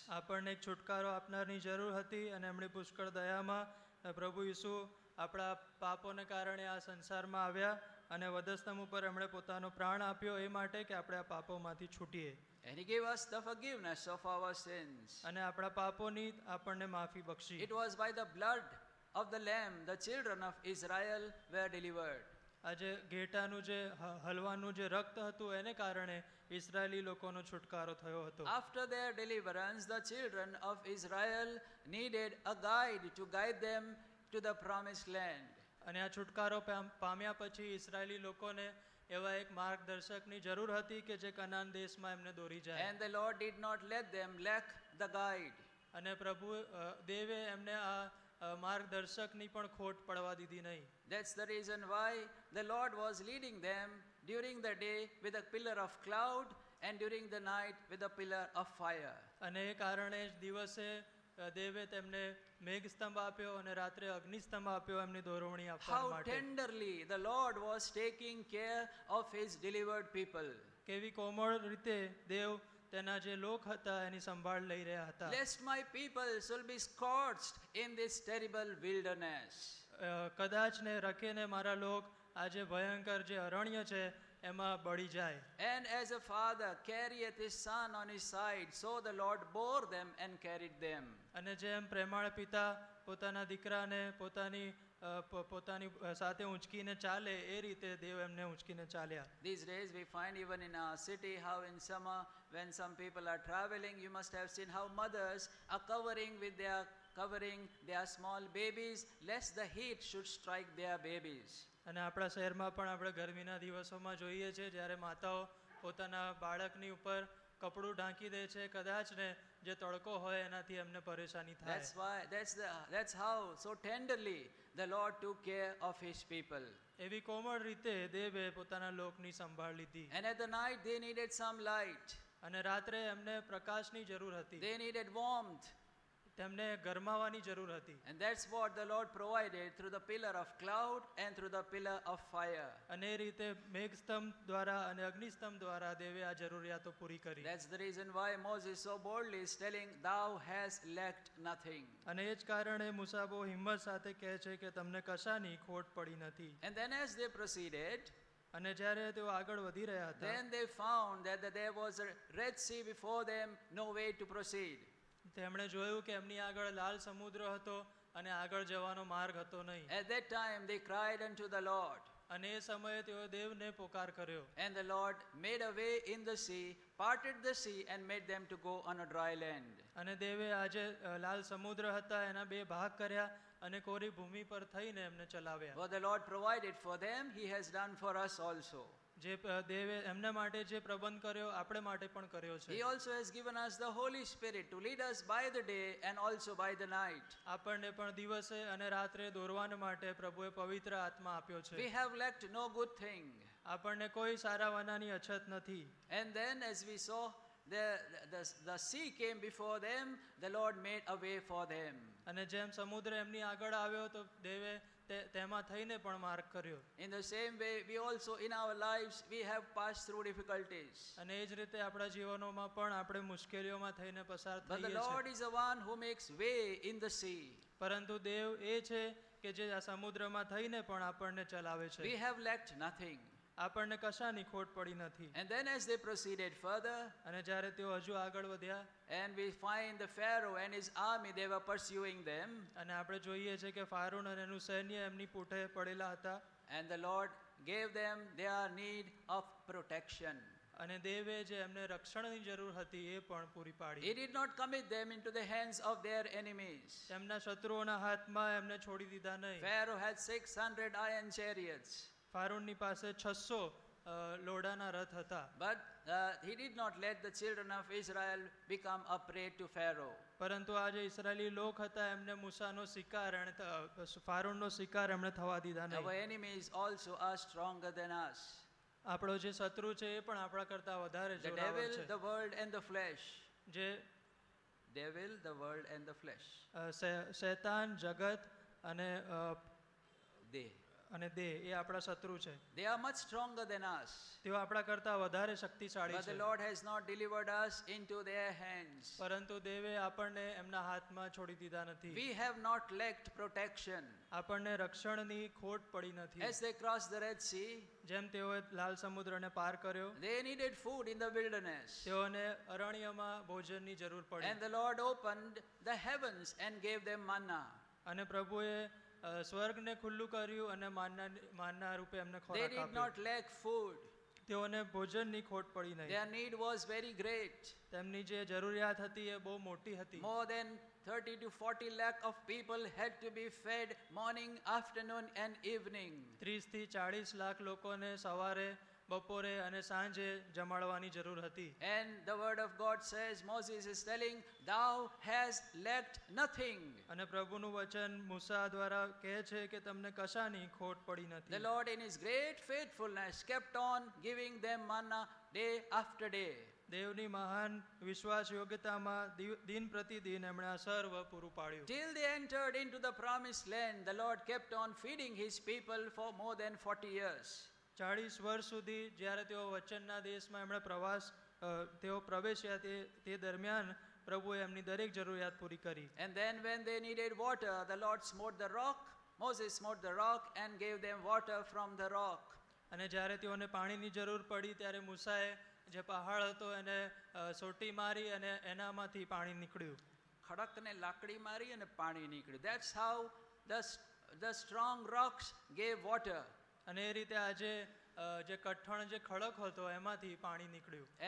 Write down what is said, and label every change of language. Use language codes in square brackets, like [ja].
[gu] આપણને છુટકારો આપનારની જરૂર હતી અને એમણે પુષ્કળ દયામાં પ્રભુ ઈસુ આપણા પાપોને કારણે આ સંસારમાં આવ્યા અને વધસ્તંભ ઉપર એમણે પોતાનો પ્રાણ આપ્યો એ માટે કે આપણે આ પાપોમાંથી છૂટીએ. [en] And he gave us the forgiveness of our sins. [gu] અને આપણા પાપોની આપણને માફી બક્ષી. [en] It was by the blood of the lamb the children of Israel were delivered. [gu] આજે ઘેટાનું જે હલવાનું જે રક્ત હતું એને કારણે ઇઝરાયલી લોકોનો છુટકારો થયો હતો. [en] After their deliverance the children of Israel needed a guide to guide them to the promised land. [gu] અને આ છુટકારો પામ્યા પછી ઇઝરાયલી લોકોને એવા એક માર્ગદર્શકની જરૂર હતી કે જે કનાન દેશમાં એમને દોરી જાય. [en] And the Lord did not let them lack the guide. [gu] અને પ્રભુ દેવે એમને આ માર્ગદર્શકની પણ ખોટ પડવા દીધી નહીં. [en] That's the reason why the Lord was leading them during the day with a pillar of cloud and during the night with a pillar of fire. [gu] અને એ કારણે જ દિવસે દેવે તેમને મેઘસ્તંભ આપ્યો અને રાત્રે અગ્નિસ્તંભ આપ્યો એમની દોરવણી આપવા માટે. [en] How tenderly the Lord was taking care of his delivered people. [gu] કેવી કોમળ રીતે દેવ તેના જે લોક હતા એની સંભાળ લઈ રહ્યા હતા. [en] Lest my people shall be scorched in this terrible wilderness. [gu] કદાચ ને રખે ને મારા લોક આ જે ભયંકર જે અરણ્ય છે એમાં બળી જાય. [en] And as a father carrieth his son on his side, so the Lord bore them and carried them. [gu] અને જેમ પ્રેમાળ પિતા પોતાના દીકરાને પોતાની પોતાની સાથે ઉંચકીને ચાલે એ રીતે દેવ એમને ઉંચકીને ચાલ્યા. [en] These days we find even in our city how in summer when some people are traveling you must have seen how mothers are covering their small babies lest the heat should strike their babies. [gu] અને આપણા શહેરમાં પણ આપણે ગરમીના દિવસોમાં જોઈએ છે જ્યારે માતાઓ પોતાના બાળકની ઉપર કપડું ઢાંકી દે છે કદાચ ને જે તડકો હોય એનાથી એમને પરેશાની થાય. [en] That's why that's how so tenderly the Lord took care of his people. [gu] એવી કોમળ રીતે દેવે પોતાના લોકની સંભાળ લીધી. [en] And at the night they needed some light. [gu] અને રાત્રે એમને પ્રકાશની જરૂર હતી. [en] They needed warmth. [gu] તેમને ગરમાવવાની જરૂર હતી. [en] And that's what the Lord provided through the pillar of cloud and through the pillar of fire. [gu] અને રીતે મેઘસ્તંભ દ્વારા અને અગ્નિસ્તંભ દ્વારા દેવે આ જરૂરિયાતો પૂરી કરી. [en] That's the reason why Moses so boldly is telling thou has lacked nothing. [gu] અને એ જ કારણે મૂસા બહુ હિંમત સાથે કહે છે કે તમને કશાની ખોટ પડી નથી. [en] And then as they proceeded, [gu] અને જ્યારે તેઓ આગળ વધી રહ્યા હતા, [en] then they found that there was a Red Sea before them, no way to proceed. [gu] તેમણે જોયું કે એમની આગળ લાલ સમુદ્ર હતો અને આગળ જવાનો માર્ગ હતો નહીં. [en] At that time they cried unto the Lord. [gu] અને એ સમયે તેઓ દેવને પોકાર કર્યો. [en] And the Lord made a way in the sea, parted the sea and made them to go on a dry land. [gu] અને દેવે આજે લાલ સમુદ્ર હતા એના બે ભાગ કર્યા અને કોરી ભૂમિ પર થઈને એમને ચલાવ્યા. [en] For the Lord provided for them, he has done for us also. [gu] જે દેવે એમના માટે જે પ્રબંધ કર્યો આપણે માટે પણ કર્યો છે. [en] He also has given us the Holy Spirit to lead us by the day and also by the night. [gu] આપણને પણ દિવસે અને રાત્રે દોરવાના માટે પ્રભુએ પવિત્ર આત્મા આપ્યો છે. [en] We have lacked no good thing. [gu] આપણને કોઈ સારા વાનાની અછત નથી. [en] And then as we saw the sea came before them, the Lord made a way for them. [gu] અને જેમ સમુદ્ર એમની આગળ આવ્યો તો દેવે તેમાં થઈને પણ માર્ગ કર્યો. [en] In the same way we also in our lives we have passed through difficulties. [gu] અને એ જ રીતે આપણા જીવનોમાં પણ આપણે મુશ્કેલીઓમાં થઈને પસાર થઈએ છીએ. [en] But the Lord is the one who makes way in the sea. [gu] પરંતુ દેવ એ છે કે જે આ સમુદ્રમાં થઈને પણ આપણને ચલાવે છે. [en] We have lacked nothing. [gu] આપણને કશાની ખોટ પડી નથી. [en] And then as they proceeded further, [gu] અને જ્યારે તેઓ હજુ આગળ વધ્યા, [en] and we find the Pharaoh and his army, they were pursuing them. [gu] અને આપણે જોઈએ છે કે ફારુન અને એનું સૈન્ય એમની પૂંઠે પડેલા હતા. [en] And the Lord gave them their need of protection. [gu] અને દેવે જે એમને રક્ષણની જરૂર હતી એ પણ પૂરી પાડી. [en] He did not commit them into the hands of their enemies. [gu] એમના શત્રુઓના હાથમાં એમને છોડી દીધા નહીં. [en] Pharaoh had 600 iron chariots. [gu] ફારુનની પાસે 600 લોડાના રથ હતા. [en] But he did not let the children of Israel become a prey to Pharaoh. [gu] પરંતુ આ જે ઇઝરાયલી લોક હતા એમને મૂસાનો શિકાર અને ફારુનનો શિકાર એમણે થવા દીધા નહીં. [en] Our enemies also are stronger than us. [gu] આપણો જે શત્રુ છે એ પણ આપણા કરતા વધારે જોરદાર છે. [en] The devil, the world and the flesh. [gu] જે [en] devil, the world and the flesh. [gu] શેતાન, જગત અને દેહ અને દેહ એ આપણા શત્રુ છે. [en] They are much stronger than us. [gu] તેઓ આપણા કરતા વધારે શક્તિશાળી છે. [en] But the Lord has not delivered us into their hands. [gu] પરંતુ દેવે આપણને એમના હાથમાં છોડી દીધા નથી. [en] We have not lacked protection. [gu] આપણને રક્ષણની ખોટ પડી નથી. [en] As they crossed the Red Sea, [gu] જેમ તેઓએ લાલ સમુદ્રને પાર કર્યો, [en] they needed food in the wilderness. [gu] તેઓને અરણ્યમાં ભોજનની જરૂર પડી. [en] And the Lord opened the heavens and gave them manna. [gu] અને પ્રભુએ સ્વર્ગને ખુલ્લું કર્યું અને માનના રૂપે એમને ખોરાક આપ્યો. [en] They did not lack food. [gu] તેઓને ભોજનની ખોટ પડી નહીં. [en] Their need was very great. [gu] તેમની જે જરૂરિયાત હતી એ બહુ મોટી હતી. [en] More than 30 to 40 lakh of people had to be fed morning, afternoon and evening. [gu] 30 થી 40 લાખ લોકોને સવારે, બપોરે અને સાંજે જમાડવાની જરૂર હતી. [en] And the word of God says Moses is telling, thou has lacked nothing. [gu] અને પ્રભુનું વચન મૂસા દ્વારા કહે છે કે તમને કશાની ખોટ પડી નથી. [en] The Lord in his great faithfulness kept on giving them manna day after day. [gu] દેવની મહાન વિશ્વાસ યોગ્યતામાં દિન પ્રતિદિન એમણે સર્વ પૂરું પાડ્યું. [en] Till they entered into the promised land, the Lord kept on feeding his people for more than 40 years. [gu] 40 વર્ષ સુધી જ્યારે તેઓ વચનના દેશમાં એમણે પ્રવાસ તેઓ પ્રવેશ્યા તે દરમિયાન પ્રભુએ એમની દરેક જરૂરિયાત પૂરી કરી. [en] And then when they needed water, the Lord smote the rock. Moses smote the rock and gave them water from the rock. [gu] અને જ્યારે તેઓને પાણીની જરૂર પડી ત્યારે મૂસાએ જે પહાડ હતો એને સોટી મારી અને એનામાંથી પાણી નીકળ્યું. ખડકને લાકડી મારી અને પાણી નીકળ્યું. [en] That's how the strong rocks gave water. [gu] અને એ રીતે આજે જે કઠણ જે ખડક હતો એમાંથી પાણી નીકળ્યું.